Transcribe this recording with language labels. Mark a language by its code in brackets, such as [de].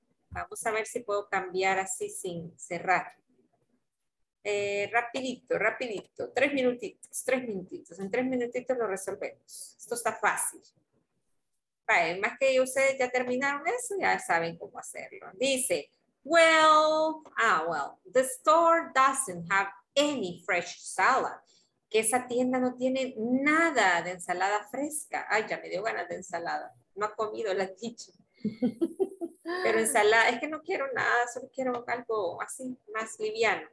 [es] Vamos a ver si puedo cambiar así sin cerrar. Rapidito. En tres minutitos lo resolvemos. Esto está fácil. Vale, más que ustedes ya terminaron eso, ya saben cómo hacerlo. Dice, [en] well, the store doesn't have any fresh salad. [es] Que esa tienda no tiene nada de ensalada fresca. Ay, ya me dio ganas de ensalada. No ha comido la chicha. Pero ensalada, es que no quiero nada, solo quiero algo así, más liviano.